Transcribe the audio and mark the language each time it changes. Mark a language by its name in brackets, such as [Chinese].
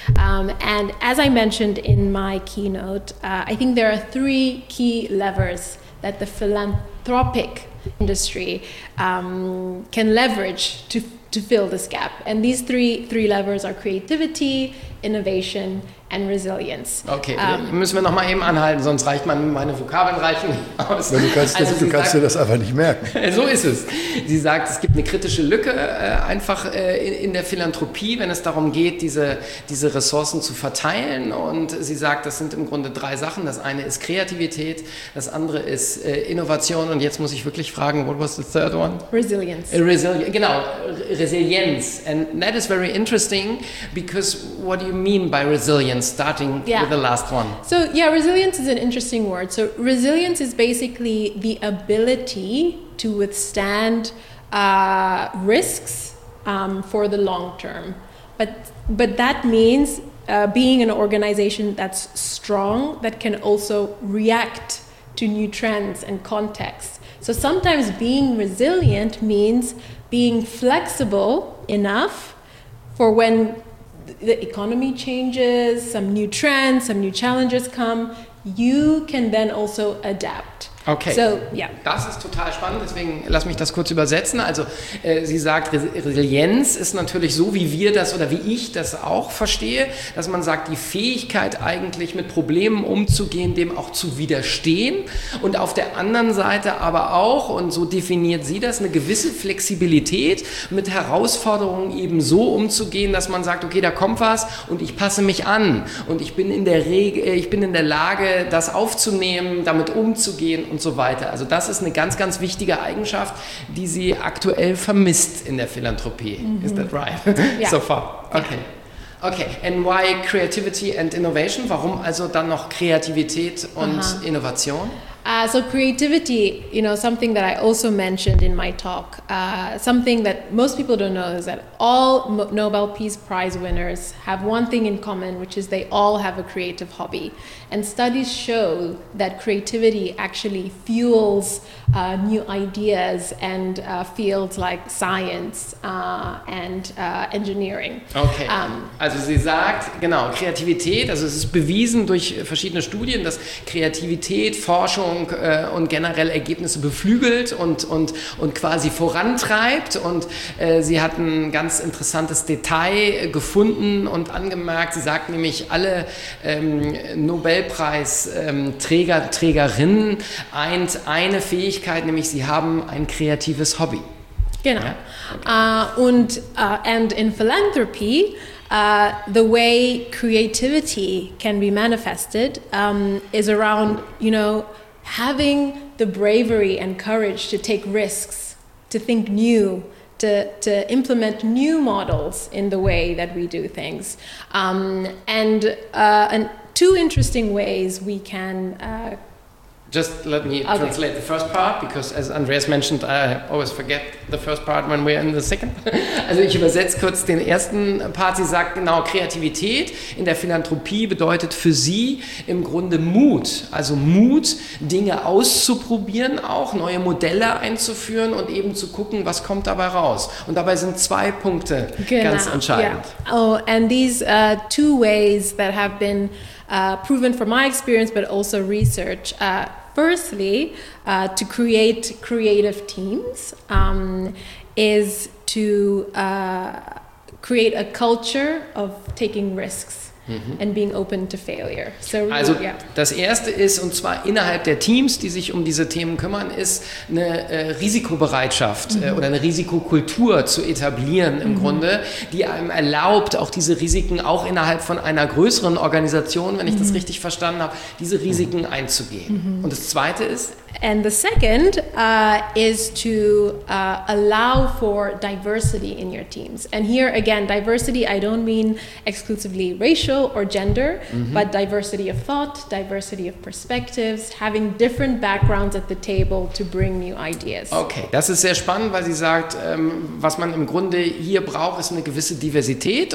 [English] And as I mentioned in my keynote, I think there are three key levers that the philanthropic industry can leverage to fill this gap. And these three levers are creativity, innovation, and resilience. [German] Okay, müssen wir noch mal eben anhalten, sonst reicht meine Vokabeln reichen aus. Ja, du kannst dir das einfach nicht merken. So ist es. Sie sagt, es gibt eine kritische Lücke einfach in der Philanthropie, wenn es darum geht, diese Ressourcen zu verteilen. Und sie sagt, das sind im Grunde drei Sachen. Das eine ist Kreativität, das andere ist Innovation. Und jetzt muss ich wirklich fragen, [English] what was the third one? Resilience. [German] Resilienz. [English] And that is very interesting, because what do you mean by resilience? Starting with the last one. So yeah, resilience is an interesting word. So resilience is basically the ability to withstand risks for the long term. But that means being an organization that's strong, that can also react to new trends and contexts. So sometimes being resilient means being flexible enough for when the economy changes, some new trends, some new challenges come, you can then also adapt. Okay, so, yeah. [German] Das ist total spannend, deswegen lass mich das kurz übersetzen. Also sie sagt, Resilienz ist natürlich so, wie wir das oder wie ich das auch verstehe, dass man sagt, die Fähigkeit eigentlich mit Problemen umzugehen, dem auch zu widerstehen, und auf der anderen Seite aber auch, und so definiert sie das, eine gewisse Flexibilität mit Herausforderungen eben so umzugehen, dass man sagt, okay, da kommt was und ich passe mich an und ich bin in der Lage, das aufzunehmen, damit umzugehen und so weiter. Also das ist eine ganz, ganz wichtige Eigenschaft, die sie aktuell vermisst in der Philanthropie. [English] Mm-hmm. Is that right? Yeah. So far. Okay. Okay. And why creativity and innovation? [German] Warum also dann noch Kreativität und Innovation? [English] So creativity, you know, something that I also mentioned in my talk, something that most people don't know is that all Nobel Peace Prize winners have one thing in common, which is they all have a creative hobby. And studies show that creativity actually fuels new ideas and fields like science and engineering. [German] Okay, also sie sagt, genau, Kreativität, also es ist bewiesen durch verschiedene Studien, dass Kreativität, Forschung, Forschung und generell Ergebnisse beflügelt und quasi vorantreibt. Und sie hat ein ganz interessantes Detail gefunden und angemerkt. Sie sagt nämlich, alle Nobelpreisträger, Trägerinnen eint eine Fähigkeit, nämlich sie haben ein kreatives Hobby. Genau. [English] And in philanthropy, the way creativity can be manifested is around, you know, having the bravery and courage to take risks, to think new, to implement new models in the way that we do things. And two interesting ways we can Just let me translate the first part, because as Andreas mentioned, I always forget the first part when we're in the second. [German] Also ich übersetze kurz den ersten Part. Sie sagt genau, Kreativität in der Philanthropie bedeutet für sie im Grunde Mut. Also Mut, Dinge auszuprobieren auch, neue Modelle einzuführen und eben zu gucken, was kommt dabei raus. Und dabei sind zwei Punkte ganz entscheidend. [English] Yeah. Oh, and these two ways that have been proven from my experience, but also research. Firstly, to create creative teams is to create a culture of taking risks. Mhm. And being open to failure. So, also yeah. [German] Das erste ist, und zwar innerhalb der Teams, die sich um diese Themen kümmern, ist eine Risikobereitschaft oder eine Risikokultur zu etablieren im Grunde, die einem erlaubt, auch diese Risiken auch innerhalb von einer größeren Organisation, wenn ich das richtig verstanden habe, diese Risiken einzugehen. Mhm. Und das zweite ist? [English] And the second is to allow for diversity in your teams. And here again, diversity, I don't mean exclusively racial or gender, but diversity of thought, diversity of perspectives, having different backgrounds at the table to bring new ideas. [German] Okay, das ist sehr spannend, weil sie sagt, was man im Grunde hier braucht, ist eine gewisse Diversität.